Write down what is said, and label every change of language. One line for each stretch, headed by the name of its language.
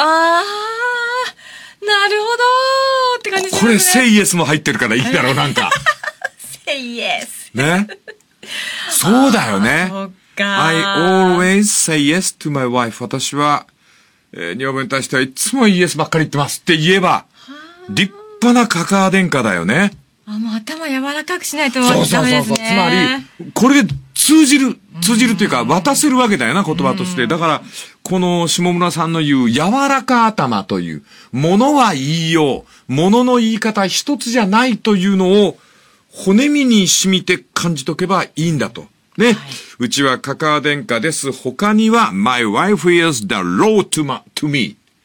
Japanese: あー、なるほどーって感じですね。これ
English: say yes
Japanese: も入ってるからいいだろう、なんか。
English: say yes.
Japanese: ね。そうだよね。
English: I always say yes to my wife.
Japanese: 私は、女房に対してはいつもイエスばっかり言ってますって言えば、立派なカカア殿下だよね。あ、もう頭柔らかくしないとダメですね。そう。つまり、これで通じるというか、渡せるわけだよな、言葉として。だから、この下村さんの言う柔らか頭という、ものは言いよう、ものの言い方一つじゃないというのを、骨身に染みて感じとけばいいんだと。ね、はい。うちはカカア殿下です。他には、
English: My wife is the law to, ma, to me.